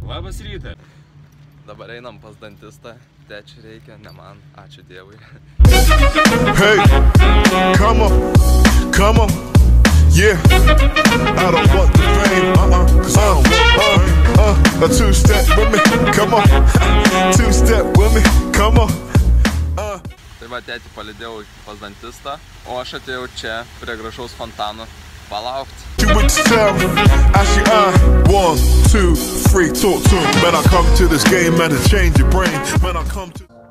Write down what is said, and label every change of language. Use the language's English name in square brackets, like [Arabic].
[Lithuanian] Labas rytas. Dabar einam pas dantistą. Tečių reikia, ne man. Ačiū Dievui. [English] Hey, come on, come on. Yeah, I don't want the fame, a two-step with me, come on, two-step with me, come on. [Lithuanian] Tai va, tėtį palydėjau pas dantistą, o aš atėjau čia prie gražaus fontano palaukti. [English] Do it yourself, actually I, one, two, three, talk to him, when I come to this game, man, it change your brain, when I come to...